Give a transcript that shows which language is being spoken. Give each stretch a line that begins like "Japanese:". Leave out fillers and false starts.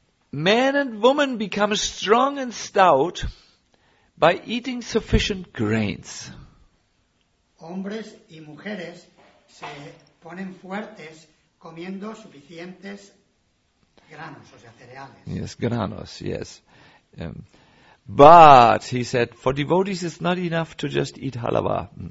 English: Man and woman become strong and stout by eating sufficient grains.
Spanish: Hombres y mujeres se ponen fuertes comiendo suficientes granos, o sea, cereales.
English: Yes, granos, yes. But, he said, for devotees it's not enough to just eat halava.